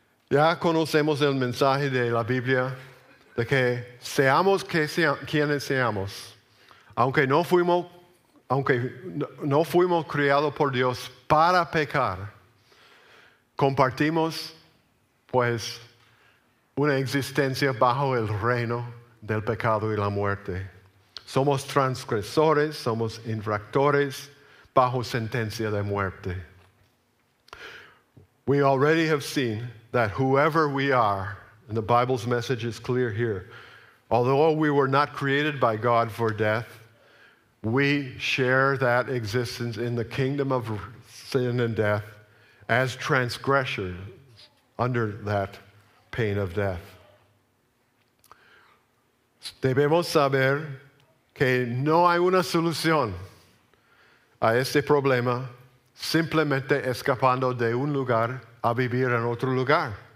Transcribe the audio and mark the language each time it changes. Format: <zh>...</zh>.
<es>Ya conocemos el mensaje de la Biblia de que seamos quienes seamos, aunque no fuimos criados por Dios para pecar, compartimos pues una existencia bajo el reino del pecado y la muerte. Somos transgresores, somos infractores bajo sentencia de muerte.</es> <en>We already have seen that whoever we are, and the Bible's message is clear here, although we were not created by God for death, we share that existence in the kingdom of sin and death as transgressors under that pain of death.</en> <es>Debemos saber que no hay una solución a este problema simplemente escapando de un lugar a vivir en otro lugar.</es>